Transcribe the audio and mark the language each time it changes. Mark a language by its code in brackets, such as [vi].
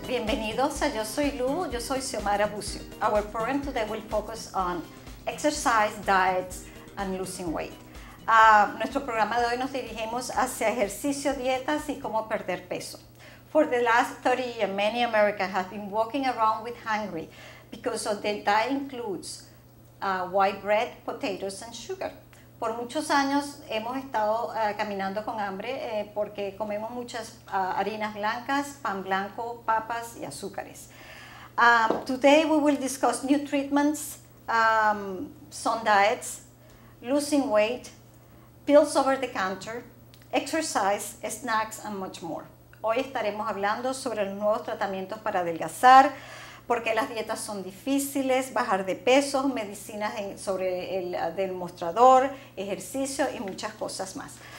[es] Bienvenidos a Yo Soy Lulu, yo soy Xiomara Bucio. [en] Our program today will focus on exercise, diets, and losing weight. [es] Nuestro programa de hoy nos dirigimos hacia ejercicio, dietas y cómo perder peso. [en] For the last 30 years, many Americans have been walking around with hungry because of their diet includes white bread, potatoes, and sugar. [es] Por muchos años hemos estado caminando con hambre porque comemos muchas harinas blancas, pan blanco, papas y azúcares. [en] Today we will discuss new treatments, some diets, losing weight, pills over the counter, exercise, snacks, and much more. [es] Hoy estaremos hablando sobre los nuevos tratamientos para adelgazar, por qué las dietas son difíciles, bajar de peso, medicinas sobre el del mostrador, ejercicio y muchas cosas más.